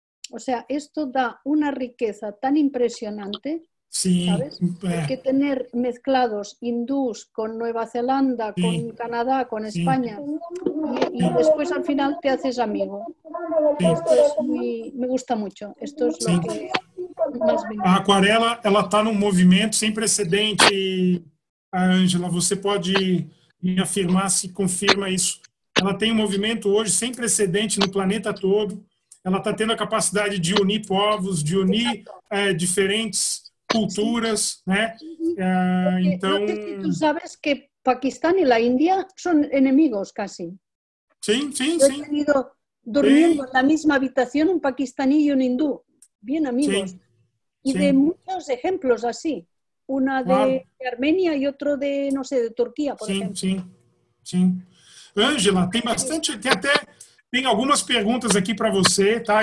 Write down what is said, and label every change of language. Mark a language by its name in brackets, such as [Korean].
[Spanish] O sea, esto da una riqueza tan impresionante. Sí, ¿sabes? Hay que tener mezclados hindús con Nueva Zelanda, sí, con Canadá, con España, sí, y después al final te haces amigo. Sí. Esto es muy, me gusta mucho. Esto es lo que... [Portuguese] mais ou menos? A aquarela, ela está num movimento sem precedente, Ângela, você pode me afirmar se confirma isso. Ela tem um movimento hoje sem precedente no planeta todo, ela está tendo a capacidade de unir povos, de unir diferentes culturas, né? Então... [Spanish] Tu sabes que Pakistán y la India son enemigos casi. [Portuguese] Sim. Eu tenho dormindo na mesma habitação um paquistaní e um hindu, bem amigos. Sim. De muitos exemplos assim, uma de Armênia e outro de, não sei, de Turquia, por exemplo. Sim. Ângela, tem bastante, tem algumas perguntas aqui para você, tá?